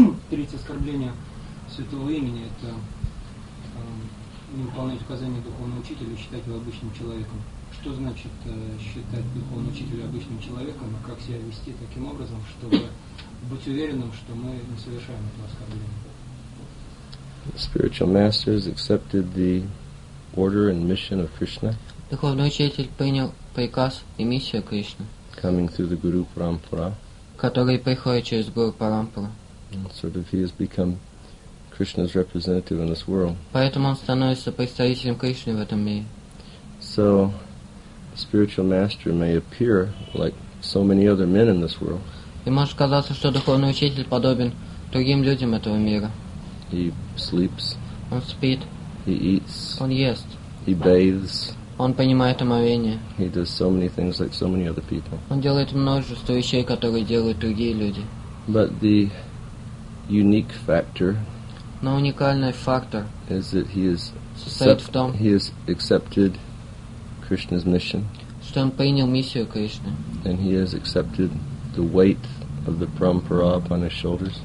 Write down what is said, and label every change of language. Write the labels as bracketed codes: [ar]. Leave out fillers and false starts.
[ru] Третье оскорбление святого имени – это не выполнять указания духовного учителя и считать его обычным человеком. Что значит считать духовного учителя обычным человеком, и как себя вести таким образом, чтобы быть уверенным, что мы не совершаем этого оскорбления? [en] The spiritual masters accepted the order and mission of Krishna. [ru] Духовный учитель принял приказ и миссию Кришны. [en] Coming through the Guru Parampara. [ru] Который приходит через Гуру Парампуру. [en] Sort of he has become Krishna's representative in this world. [ru] Поэтому он становится представителем Кришны в этом мире. [en] So, the spiritual master may appear like so many other men in this world. [ru] И может казаться, что духовный учитель подобен другим людям этого мира. [en] He sleeps. [ru] Он спит. [en] He eats. [ru] Он ест. [en] He bathes. [ru] Он принимает омовение. [en] He does so many things like so many other people. [ru] Он делает множество вещей, которые делают другие люди. [en] But the unique factor. [ru] Но уникальный фактор. [en] Is that he is. [ru] Состоит в том. [en] He has accepted Krishna's mission. [ru] Что он принял миссию Кришны. [en] And he has accepted the weight of the parampara upon his shoulders.